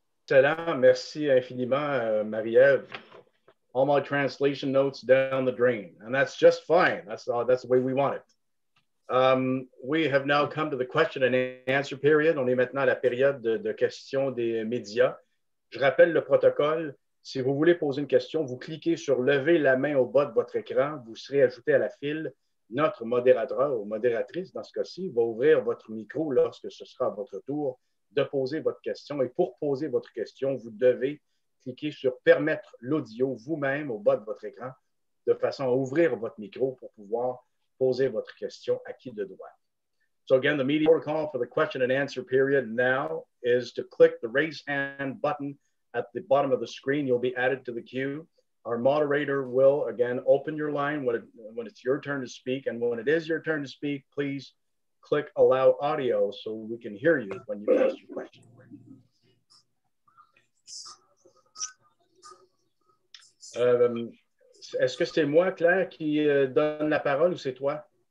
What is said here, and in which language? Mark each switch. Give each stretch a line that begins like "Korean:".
French: Excellent. Merci infiniment,
English: Marie-Ève. All my translation notes down the drain. And that's just fine. That's the way we want it. We have now come to the question and answer period.
French: On est maintenant à la période de questions des médias. Je rappelle le protocole. Si vous voulez poser une question, vous cliquez sur « Lever la main au bas de votre écran ». Vous serez ajouté à la file. Notre modérateur ou modératrice, dans ce cas-ci, va ouvrir votre micro lorsque ce sera votre tour de poser votre question. Et pour poser votre question, vous devez cliquer sur « Permettre l'audio vous-même au bas de votre écran » de façon à ouvrir votre micro pour pouvoir poser votre question à qui de droit.
English: So again, the media protocol for the question and answer period now is to click the raise hand button at the bottom of the screen. You'll be added to the queue. Our moderator will, again, open your line when it's your turn to speak. And when it is your turn to speak, please click allow audio so we can hear you when you ask your question.
French: Est-ce que c'est moi, Claire, qui donne la parole ou c'est toi?